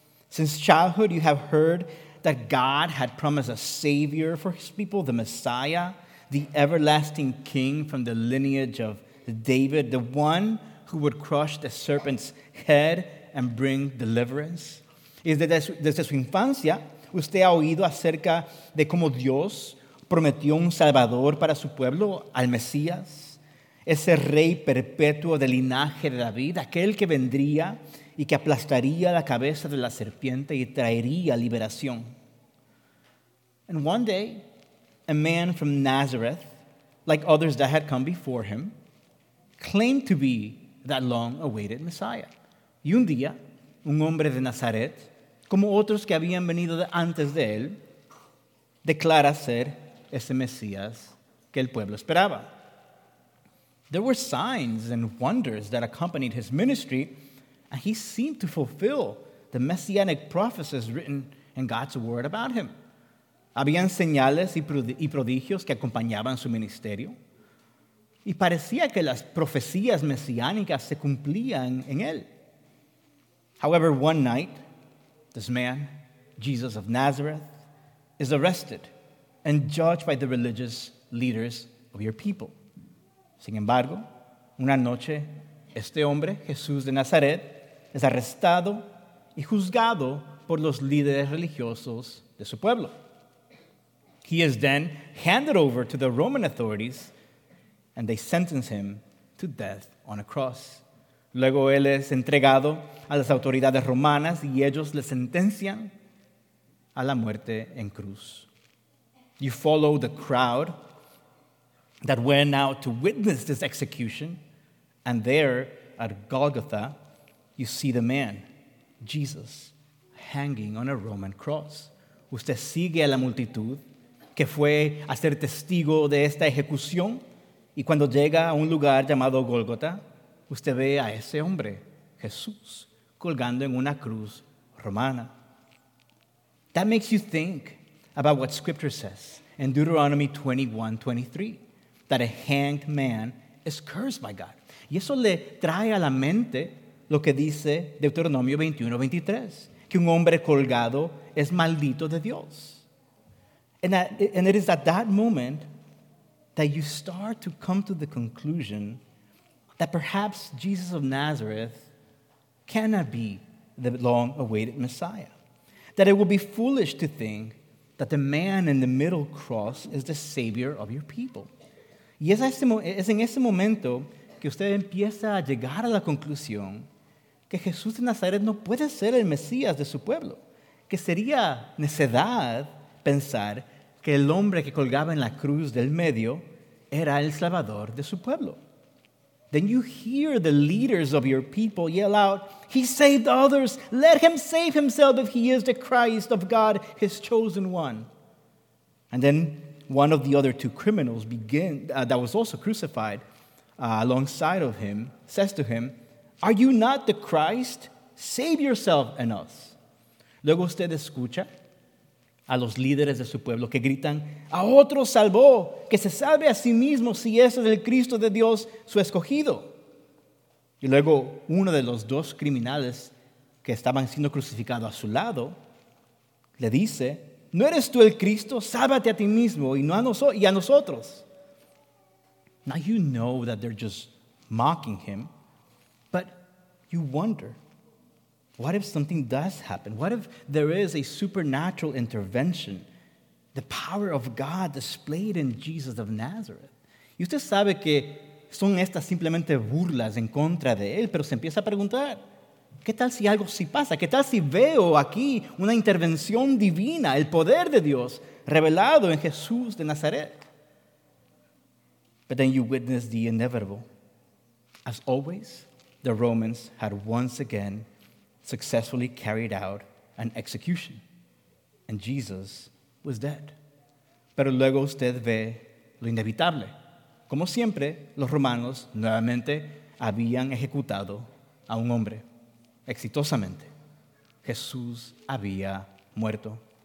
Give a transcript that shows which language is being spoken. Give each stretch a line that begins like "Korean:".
English: Since childhood, you have heard that God had promised a savior for his people, the Messiah, the everlasting king from the lineage of David, the one who would crush the serpent's head and bring deliverance.
Spanish: Y desde su infancia, usted ha oído acerca de cómo Dios prometió un salvador para su pueblo, al Mesías, ese rey perpetuo del linaje de David, aquel que vendría y que aplastaría la cabeza de la serpiente y traería liberación.
English: And one day, a man from Nazareth, like others that had come before him, claimed to be that long-awaited Messiah.
Spanish: Y un día, un hombre de Nazaret, como otros que habían venido antes de él, declara ser ese Mesías que el pueblo esperaba.
English: There were signs and wonders that accompanied his ministry, and he seemed to fulfill the messianic prophecies written in God's word about him.
Spanish: Habían señales y prodigios que acompañaban su ministerio, y parecía que las profecías mesiánicas se cumplían en él.
English: However, one night, this man, Jesus of Nazareth, is arrested and judged by the religious leaders of your people.
Spanish: Sin embargo, una noche, este hombre, Jesús de Nazaret, es arrestado y juzgado por los líderes religiosos de su pueblo.
English: He is then handed over to the Roman authorities, and they sentence him to death on a cross.
Spanish: Luego él es entregado a las autoridades romanas y ellos le sentencian a la muerte en cruz.
English: You follow the crowd that we're now to witness this execution, and there at Golgotha, you see the man, Jesus, hanging on a Roman cross.
Spanish: Usted sigue a la multitud que fue a ser testigo de esta ejecución, y cuando llega a un lugar llamado Golgotha, usted ve a ese hombre, Jesús, colgando en una cruz romana.
English: That makes you think about what Scripture says in Deuteronomy 21:23, that a hanged man is cursed by God.
Spanish: Y eso le trae a la mente lo que dice Deuteronomio 21:23, que un hombre colgado es maldito de Dios.
English: And it is at that moment that you start to come to the conclusion that perhaps Jesus of Nazareth cannot be the long-awaited Messiah. That it would be foolish to think that the man in the middle cross is the savior of your people.
Spanish: Y es en ese momento que usted empieza a llegar a la conclusión que Jesús de Nazaret no puede ser el Mesías de su pueblo. Que sería necedad pensar que el hombre que colgaba en la cruz del medio era el Salvador de su pueblo.
English: Then you hear the leaders of your people yell out, "He saved others. Let him save himself if he is the Christ of God, his chosen one." And then one of the other two criminals that was also crucified alongside of him says to him, "Are you not the Christ? Save yourself and us."
Spanish: Luego usted escucha a los líderes de su pueblo que gritan, "A otro salvó, que se salve a sí mismo si es el Cristo de Dios su escogido." Y luego uno de los dos criminales que estaban siendo crucificados a su lado le dice, "¿No eres tú el Cristo? Sálvate a ti mismo y no a nosotros."
English: Now you know that they're just mocking him, but you wonder, what if something does happen? What if there is a supernatural intervention, the power of God displayed in Jesus of Nazareth?
Spanish: Y usted sabe que son estas simplemente burlas en contra de él, pero se empieza a preguntar, ¿qué tal si algo sí pasa? ¿Qué tal si veo aquí una intervención divina, el poder de Dios revelado en Jesús de Nazaret?
English: But then you witness the inevitable. As always, the Romans had once again successfully carried out an execution, and Jesus was dead.
Spanish: Pero luego usted ve lo inevitable. Como siempre, los romanos nuevamente habían ejecutado a un hombre. Exitosamente, Jesús había muerto.